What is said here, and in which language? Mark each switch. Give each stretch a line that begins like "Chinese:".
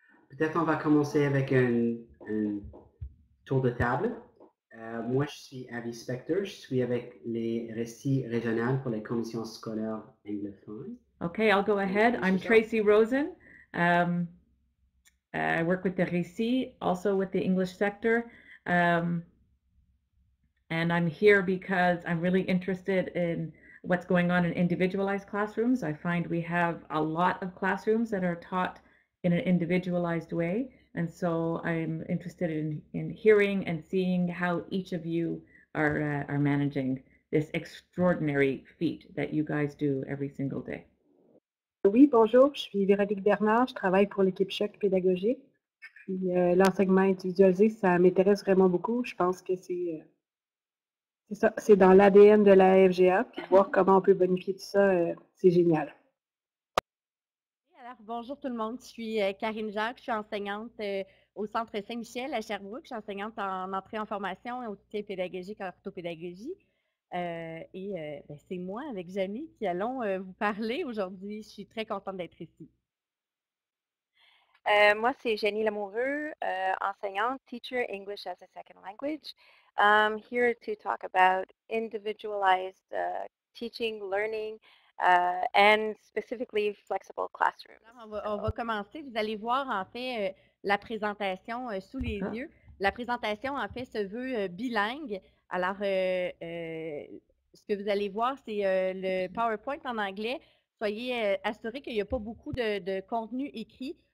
French: Peut-être on va commencer avec un tour de table. Moi, je suis Avi Spector. Je suis avec les récits régionales pour les commissions scolaires anglophones.
English: Okay, I'll go ahead. I'm Tracy Rosen. I work with the récits, also with the English sector. And I'm here because I'm really interested in what's going on in individualized classrooms. I find we have a lot of classrooms that are taught in an individualized way. And so I'm interested in hearing and seeing how each of you are managing this extraordinary feat that you guys do every single day.
French: Oui, bonjour, je suis Véronique Bernard, je travaille pour l'équipe Choc pédagogique. Puis l'enseignement individualisé, ça m'intéresse vraiment beaucoup. Je pense que c'est ça, c'est dans l'ADN de la FGA. Puis voir comment on peut bonifier tout ça, c'est génial. Alors, bonjour tout le monde, je suis Karine Jacques, je suis enseignante au Centre Saint-Michel à Sherbrooke. Je suis enseignante en entrée en formation et au soutien pédagogique en orthopédagogie. C'est moi avec Jamie qui allons vous parler aujourd'hui. Je suis très contente d'être ici. Moi, c'est Jenny Lamoureux, enseignante,
English: teacher English as a second language. I'm here to talk about individualized teaching, learning, and specifically flexible classrooms.
French: Alors, on va commencer. Vous allez voir en fait la présentation sous les yeux. La présentation en fait se veut bilingue. Alors, ce que vous allez voir, c'est le PowerPoint en anglais. Soyez assurés qu'il n'y a pas beaucoup de contenu écrit.